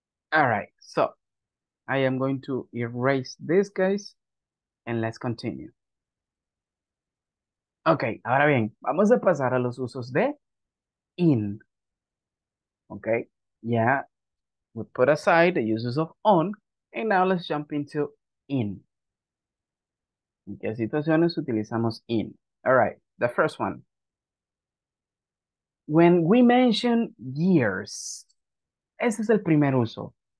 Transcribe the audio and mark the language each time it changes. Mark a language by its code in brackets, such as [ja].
[en] All right, so I am going to erase this, guys, and let's continue. [es] Ok, ahora bien, vamos a pasar a los usos de in. [en] Ok, ya we put aside the uses of on, and now let's jump into in. [es] ¿En qué situaciones utilizamos [en] in? All right, the first one. When we mention years, [es] ese es el primer uso.